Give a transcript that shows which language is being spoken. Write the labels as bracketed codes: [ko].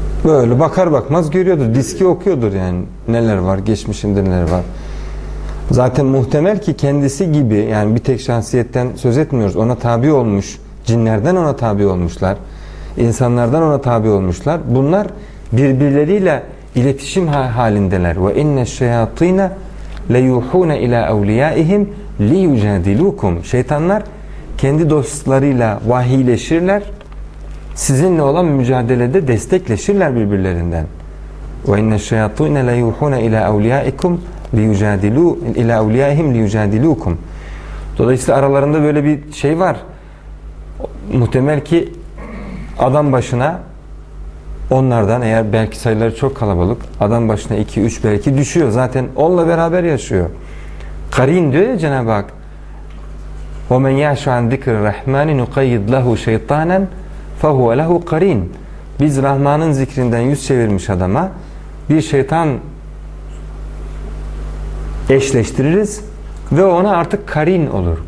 [tr] böyle bakar bakmaz görüyordur. Diski okuyordur yani. Neler var, geçmişinde neler var. Zaten muhtemel ki kendisi gibi, yani bir tek şahsiyetten söz etmiyoruz. Ona tabi olmuş. Cinlerden ona tabi olmuşlar. İnsanlardan ona tabi olmuşlar. Bunlar birbirleriyle iletişim halindeler. [ar] وَاِنَّ الشَّيَاطِينَ لَيُوحُونَ اِلَى اَوْلِيَائِهِمْ لِيُجَادِلُوكُمْ [tr] Şeytanlar kendi dostlarıyla vahiyleşirler. Sizinle olan mücadelede destekleşirler birbirlerinden. [ar] وَاِنَّ الشَّيَاطِينَ لَيُوحُونَ اِلَى اَوْلِيَائِكُمْ اِلَى اَوْلِيَائِهِمْ لِيُجَادِلُوكُمْ [tr] Dolayısıyla aralarında böyle bir şey var. Muhtemel ki adam başına onlardan eğer belki sayıları çok kalabalık adam başına 2-3 belki düşüyor. Zaten onunla beraber yaşıyor. Karin diyor ya Cenab-ı Hak. [ar] وَمَنْ يَعْشُ عَنْ ذِكْرِ الرَّحْمَانِ نُقَيِّدْ لَهُ شَيْطَانًا فَهُوَ لَهُ قَرِينَ [tr] Biz Rahman'ın zikrinden yüz çevirmiş adama bir şeytan eşleştiririz ve ona artık karin olur.